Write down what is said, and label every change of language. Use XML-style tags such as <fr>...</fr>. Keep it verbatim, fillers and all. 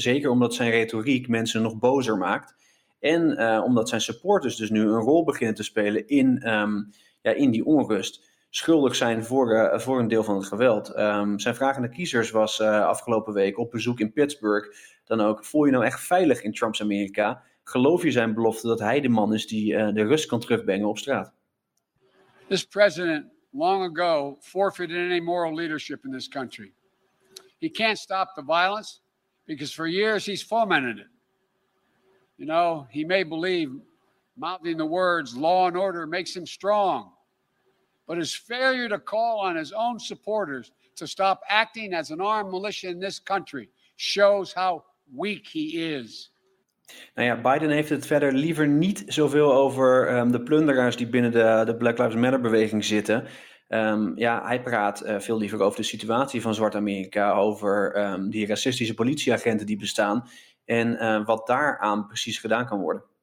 <nl>Zeker omdat zijn retoriek mensen nog bozer maakt. En uh, omdat zijn supporters dus nu een rol beginnen te spelen in, um, ja, in die onrust. Schuldig zijn voor, uh, voor een deel van het geweld. Um, zijn vraag aan de kiezers was uh, afgelopen week op bezoek in Pittsburgh. Dan ook, voel je nou echt veilig in Trumps Amerika? Geloof je zijn belofte dat hij de man is die uh, de rust kan terugbrengen op straat?</nl> <en>This president long ago forfeited any moral leadership in this country. He can't stop the violence because for years he's fomented it. You know, he may believe mouthing the words law and order makes him strong, but his failure to call on his own supporters to stop acting as an armed militia in this country shows how weak he is.</en> <nl>Nou ja, Biden heeft het verder liever niet zoveel over um, de plunderaars die binnen de, de Black Lives Matter beweging zitten. Um, ja, hij praat uh, veel liever over de situatie van Zwart-Amerika, over um, die racistische politieagenten die bestaan en uh, wat daaraan precies gedaan kan worden.</nl>